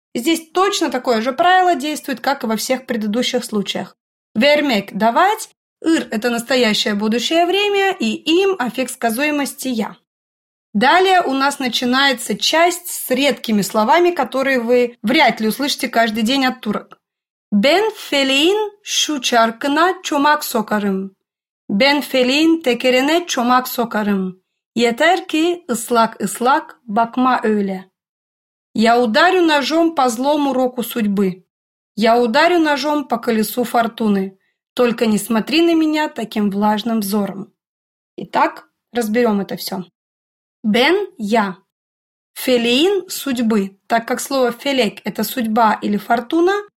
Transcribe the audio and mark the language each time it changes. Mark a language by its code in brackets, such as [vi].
[ru] Здесь точно такое же правило действует, как и во всех предыдущих случаях. «Vermek» – «давать». «Ir» – это настоящее будущее время, и «im» – аффикс сказуемости «я». Далее у нас начинается часть с редкими словами, которые вы вряд ли услышите каждый день от турок. [tr] «Ben feleğin şu çarkına çomak sokarım». «Ben feleğin tekerine çomak sokarım». «Yeter ki ıslak ıslak bakma öyle». [ru] «Я ударю ножом по злому року судьбы». «Я ударю ножом по колесу фортуны». «Только не смотри на меня таким влажным взором». Итак, разберем это все. «Бен» – «я». «Фелеин» – «судьбы». Так как слово «фелек» – это «судьба» или «фортуна».